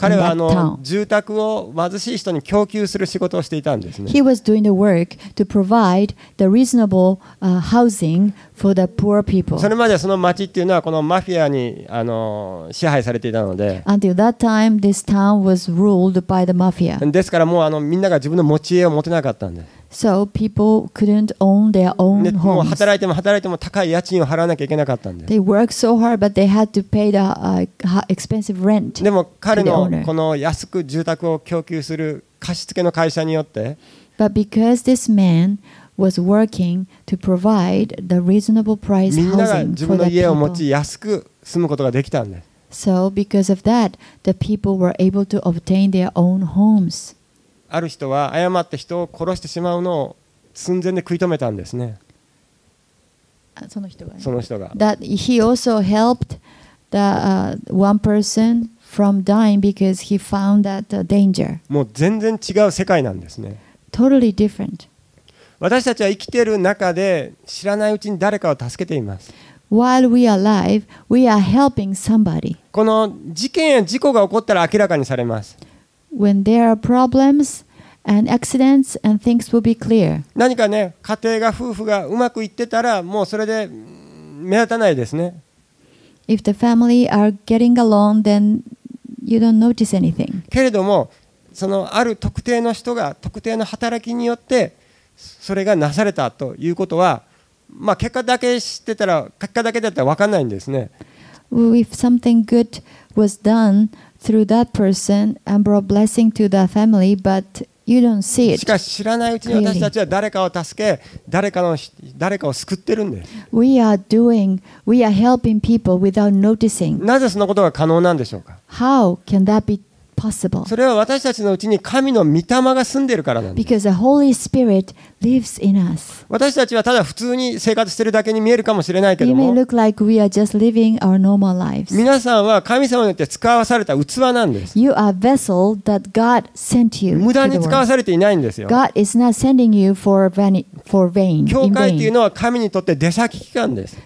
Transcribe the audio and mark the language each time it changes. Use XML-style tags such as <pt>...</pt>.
<ja>彼は住宅を貧しい人に供給する仕事をしていたんですね。</ja> <en>He was doing the work to provide the reasonable housing. For the poor people.</en> <ja>それまでその町っていうのはこのマフィアに支配されていたので。</ja> <en>Until that time, this town was ruled by the mafia.</en> <ja>ですからもうみんなが自分の持ち家を持てなかったんで。</ja> <en>So people couldn't own their own homes.</en> <ja>でもう働いても働いても高い家賃を払わなきゃいけなかったんで。</ja> <en>They worked so hard, but they had to pay the expensive rent to the owner.</en> <ja>でも彼のこの安く住宅を供給する貸し付けの会社によって。</ja> <en>But because this man was working to provide the reasonable price housing for the people.</en> <ja>みんなが自分の家を持ち安く住むことができたんです。</ja> <en>So because of that, the people were able to obtain their own homes.</en> <ja>ある人は誤って人を殺してしまうのを寸前で食い止めたんですね。その人が、ね。その人が。</ja> <en>That he also helped the one person from dying because he found that danger.</en> <ja>もう全然違う世界なんですね。</ja> <en>Totally different.</en> <ja>私たちは生きている中で知らないうちに誰かを助けています。</ja> <en>While we are alive, we are helping somebody.</en> <ja>この事件や事故が起こったら明らかにされます。</ja> <en>When there are problems and accidents and things will be clear.</en> <ja>何かね、家庭が夫婦がうまくいってたらもうそれで目立たないですね。</ja> <en>If the family are getting along, then you don't notice anything.</en> <ja>けれども、そのある特定の人が特定の働きによってそれがなされたということは、まあ、結果だけ知ってたら結果だけだったら分かんないんですね。</ja> <en>If something good was done through that person and brought blessing to that family, but you don't see it.</en> <ja>しかし知らないうちに私たちは誰かを助け、誰かを救ってるんです。</ja> <en>We are doing, we are helping people without noticing.</en> <ja>なぜそのことが可能なんでしょうか。</ja> <en>How can that be possible.</en> <ja>それは私たちのうちに神の御霊が住んでいるからなんです。</ja> <en>Because the Holy Spirit lives in us.</en> <ja>私たちはただ普通に生活しているだけに見えるかもしれないけども、</ja> <en>You may look like we are just living our normal lives.</en> <ja>皆さんは神様によって使わされた器なんです。</ja> <en>You are a vessel that God sent you.</en> <ja>無駄に使わされていないんですよ。</ja> <en>God is not sending you for vain. For vain.</en> <ja>教会というのは神にとって出先機関です。</ja>